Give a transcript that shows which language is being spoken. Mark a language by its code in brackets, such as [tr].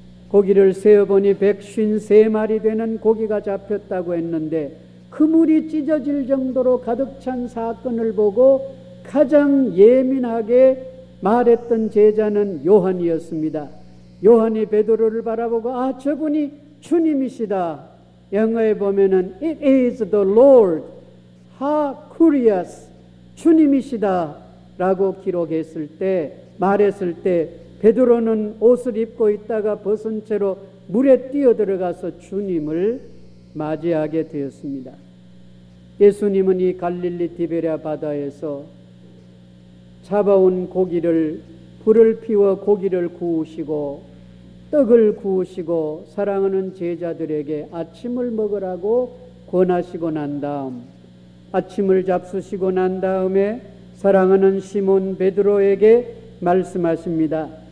[ko] 고기를 세어보니 153마리 되는 고기가 잡혔다고 했는데 그물이 찢어질 정도로 가득 찬 사건을 보고 가장 예민하게 말했던 제자는 요한이었습니다. 요한이 베드로를 바라보고 아 저분이 주님이시다. 영어에 보면은 [en] It is the Lord. Ha curious. [ko] 주님이시다 라고 기록했을 때 말했을 때 베드로는 옷을 입고 있다가 벗은 채로 물에 뛰어들어가서 주님을 맞이하게 되었습니다. 예수님은 이 갈릴리 디베랴 바다에서 잡아온 고기를 불을 피워 고기를 구우시고 떡을 구우시고 사랑하는 제자들에게 아침을 먹으라고 권하시고 난 다음 아침을 잡수시고 난 다음에 사랑하는 시몬 베드로에게 말씀하십니다.